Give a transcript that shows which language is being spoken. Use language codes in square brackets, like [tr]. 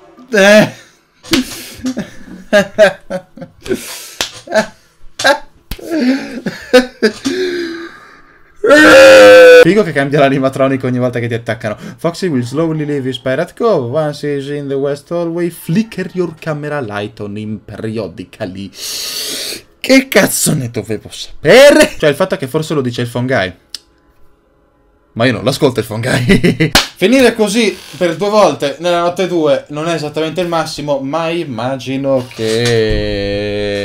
[it] Niente. Figo che cambia l'animatronico ogni volta che ti attaccano. [en] Foxy will slowly leave his pirate cove. Once he's in the west hallway, flicker your camera light on him periodically. [it] Che cazzo ne dovevo sapere? Cioè, il fatto è che forse lo dice il Fongai. Ma io non l'ascolto il Fongai. Finire così per due volte nella notte 2 non è esattamente il massimo, ma immagino che...